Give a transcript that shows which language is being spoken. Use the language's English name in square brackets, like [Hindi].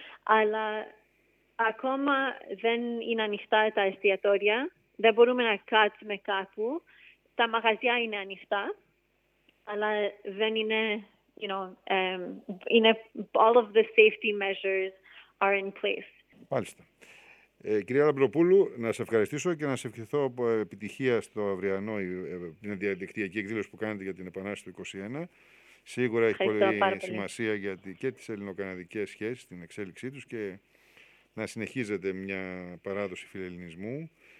[Greek] Αλλά ακόμα δεν είναι ανοιχτά τα εστιατόρια, δεν μπορούμε να κάτσουμε κάπου. Τα μαγαζιά είναι ανοιχτά, αλλά δεν είναι, [English] you know, [Greek] είναι [English] all of the safety measures are in place. [Greek] Μάλιστα. Κυρία Λαμπροπούλου, να σε ευχαριστήσω και να σε ευχηθώ επιτυχία στο αυριανό, την διαδικτυακή εκδήλωση που κάνετε για την Επανάσταση του 21. Σίγουρα έχει πολύ σημασία για και τις ελληνοκαναδικές σχέσεις, την εξέλιξή τους, και να συνεχίζεται μια παράδοση φιλελληνισμού.